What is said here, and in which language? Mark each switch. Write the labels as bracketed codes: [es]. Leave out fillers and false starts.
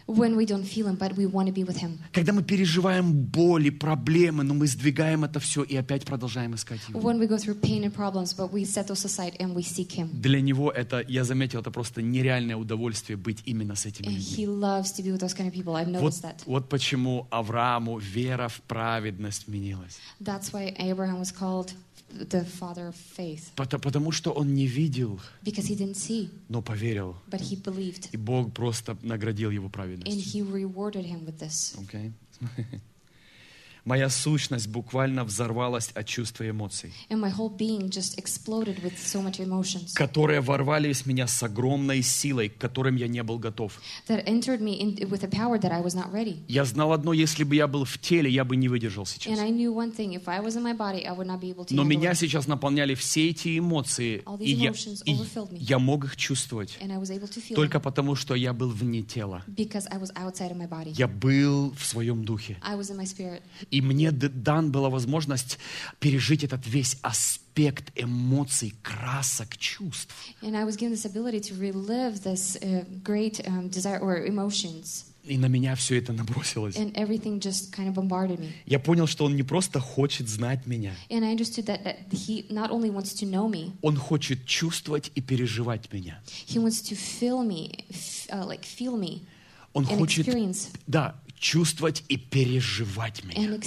[ru] Когда мы переживаем боли, проблемы, но мы сдвигаем это все и опять продолжаем искать Его. Для Него это, я заметил, это просто нереальное удовольствие быть именно с этими людьми. Вот почему Аврааму вера в праведность вменилась. [en] That's why Abraham was called the father of faith. [ru] Потому что он не видел, [en] because he didn't see, [ru] но поверил. [en] But he believed. [ru] И Бог просто наградил его праведностью. [en] And he rewarded him with this. Okay. [ru] Моя сущность буквально взорвалась от чувств и эмоций, [en] and my whole being just exploded with so much emotions, [ru] которые ворвались в меня с огромной силой, к которым я не был готов. [en] That entered me in, with a power that I was not ready. [ru] Я знал одно, если бы я был в теле, я бы не выдержал сейчас. [en] And I knew one thing, if I was in my body, I would not be able to. [ru] Но меня сейчас наполняли все эти эмоции, я мог их чувствовать, [en] and I was able to feel [ru] только [en] them, [ru] потому что я был вне тела. [en] Because I was outside of my body. [ru] Я был в своем духе. [en] I was in my spirit. [ru] И мне дан была возможность пережить этот весь аспект эмоций, красок, чувств. [en] And I was given this ability to relive this great desire or emotions. [ru] И на меня все это набросилось. [en] And everything just kind of bombarded me. [ru] Я понял, что Он не просто хочет знать меня. [en] And I understood that, that He not only wants to know me. [ru] Он хочет чувствовать и переживать меня. [en] He wants to feel me, like feel me. [ru] Он хочет, да, чувствовать и переживать меня.